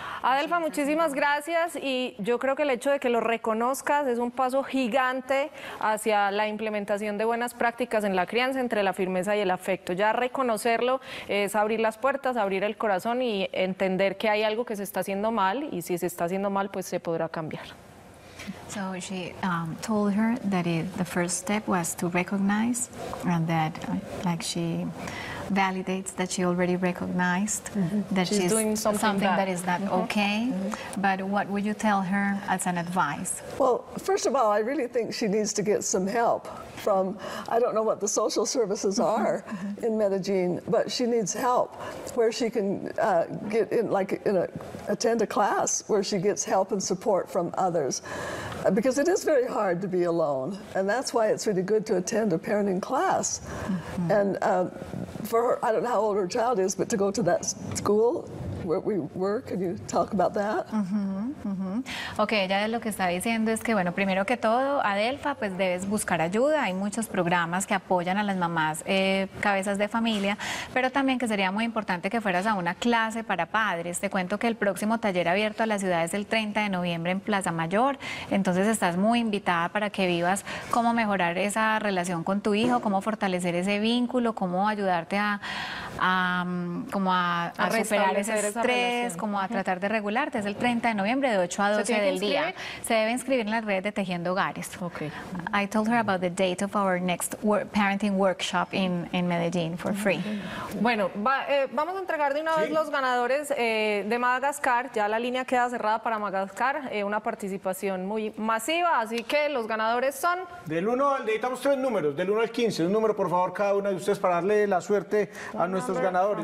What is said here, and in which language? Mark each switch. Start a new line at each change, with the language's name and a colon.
Spanish: Adelfa, muchísimas gracias y yo creo que el hecho de que lo reconozcas es un paso gigante hacia la implementación de buenas prácticas en la crianza entre la firmeza y el afecto. Ya reconocerlo es abrir las puertas, abrir el corazón y entender que hay algo que se está haciendo mal y si se está haciendo mal, pues se podrá cambiar.
English: So she told her that the first step was to recognize and that like she validates that she already recognized that she's doing something that is not okay. But what would you tell her as an advice? Well, first of all, I really think she needs to get some help from, I don't know what the social services are in Medellin, but she needs help where she can get in, like in a attend a class where she gets help and support from others. Because it is very hard to be alone, and that's why it's really good to attend a parenting class. And for her, I don't know how old her child is, but to go to that school where we work, can you talk about that?
Spanish: Okay, ella lo que está diciendo es que, bueno, primero que todo, Adelfa, pues debes buscar ayuda. Hay muchos programas que apoyan a las mamás cabezas de familia, pero también que sería muy importante que fueras a una clase para padres. Te cuento que el próximo taller abierto a la ciudad es el 30 de noviembre en Plaza Mayor. Entonces estás muy invitada para que vivas cómo mejorar esa relación con tu hijo, cómo fortalecer ese vínculo, cómo ayudarte a superar ese estrés, cómo a tratar de regularte. Es el 30 de noviembre de 8 a 12 del día. Se debe inscribir en las redes de Tejiendo Hogares.
English: Okay. I told her about the date of our next parenting workshop in Medellín for free.
Spanish: Bueno, vamos a entregar de una vez los ganadores de Madagascar. Ya la línea queda cerrada para Madagascar. Una participación muy masiva, así que los ganadores son... Necesitamos tres números, del 1 al 15. Un número, por favor, cada uno de ustedes para darle la suerte a nuestros ganadores.